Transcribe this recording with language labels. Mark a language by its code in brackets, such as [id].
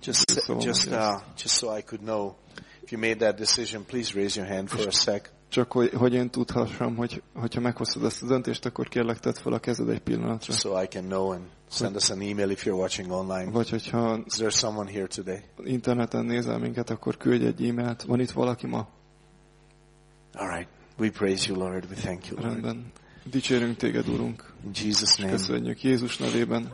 [en] Just so I could know if you made that decision, please raise your hand for a sec. [hu] Csak hogy én tudhassam, hogyha meghoztad ezt a döntést, akkor kérlek, tedd fel a kezed egy pillanatra. [en] So I can know and send us an email if you're watching online. [hu] Vagy hogyha [en] is there someone here today? [hu] Interneten nézel minket, akkor küldj egy e-mailt. Van itt valaki ma? [en] All right. We praise you, Lord. We thank you, Lord. [hu] Rendben. Dicsérünk téged, Úrunk. [en] In Jesus name. [hu] Köszönjük Jézus nevében.